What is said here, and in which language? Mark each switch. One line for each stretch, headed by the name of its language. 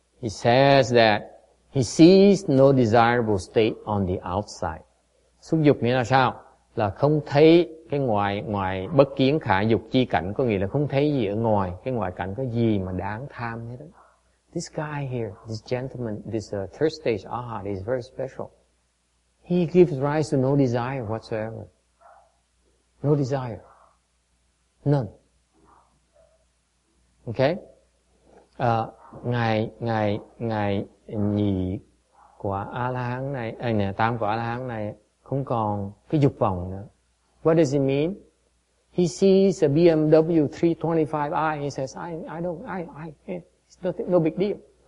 English: He says that he sees no desirable state on the outside.
Vietnamese: Xuất dục nghĩa là sao? Là không thấy cái ngoài bất kiến khả dục chi cảnh, có nghĩa là không thấy gì ở ngoài, cái ngoại cảnh có gì mà đáng tham hết đó.
English: This guy here, this gentleman, this third stage Arhat is very special. He gives rise to no desire whatsoever. No desire. None. Okay?
Vietnamese: Ngài nhị của A-la-hán này, ngài tam của A-la-hán này không còn cái dục vọng nữa.
English: What does it mean? He sees a BMW 325i and he says, it's no big deal.